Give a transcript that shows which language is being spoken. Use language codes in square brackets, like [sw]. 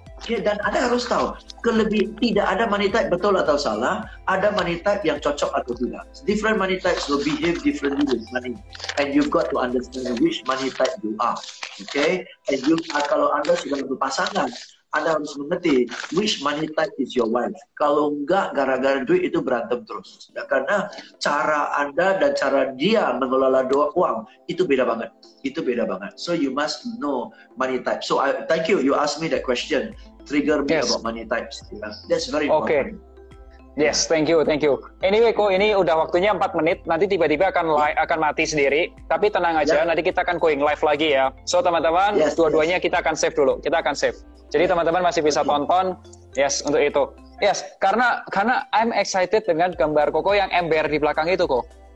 [id] Ya, dan Anda harus tahu, kelebih tidak ada money type betul atau salah, ada money type yang cocok atau tidak. [en] Different money types will behave differently with money. And you've got to understand which money type you are. Okay? And you, [id] kalau Anda sudah berpasangan, Anda harus mengerti [en] which money type is your wife. [id] Kalau enggak, gara-gara duit itu berantem terus. Nah, karena cara Anda dan cara dia mengelola doa uang itu beda banget. Itu beda banget. [en] So you must know money type. So I, thank you. You ask me that question. Trigger me yes. About money types. Yeah. That's very important. Okay. Yes, thank you, thank you. [id] Anyway, Ko, ini udah waktunya 4 menit, nanti tiba-tiba akan akan mati sendiri. Tapi tenang aja, yeah. Nanti kita akan [en] going live [id] lagi ya. So, teman-teman, yes, dua-duanya yes. Kita akan save dulu. Kita akan save. Jadi, yeah. Teman-teman masih bisa tonton. Yes, untuk itu. Yes, karena [en] I'm excited [id] dengan gambar Koko yang ember di belakang itu, Ko.